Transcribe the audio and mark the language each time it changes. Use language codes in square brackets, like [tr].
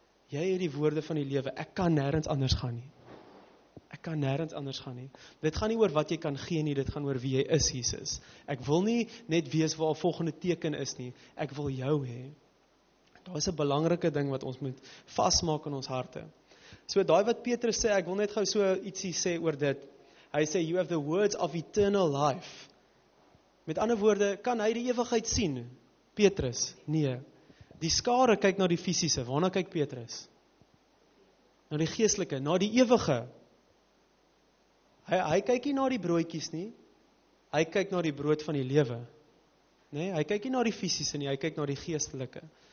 [af] Jy het die woorde van die lewe. Ek kan nêrens anders gaan nie. Ek kan nêrens anders gaan nie. Dit gaan nie oor wat jy kan gee nie. Dit gaan oor wie jy is, Jesus. Ek wil nie net wees waar volgende teken is nie. Ek wil jou hê. Daar is 'n belangrike ding wat ons moet vasmaak in ons harte. So daai wat Petrus sê, ek wil net gou so ietsie sê oor dit. Hy sê, [en] you have the words of eternal life. [af] Met ander woorde, kan hy die ewigheid sien? Petrus, nee. Die skare kyk na die fisiese. Waarna kyk Petrus? Na die geestelike, na die ewige. Hy kyk nie na die broodjies nie. Hy kyk na die brood van die lewe. Nee, hy kyk nie na die fisiese nie, hy kyk na die geestelike.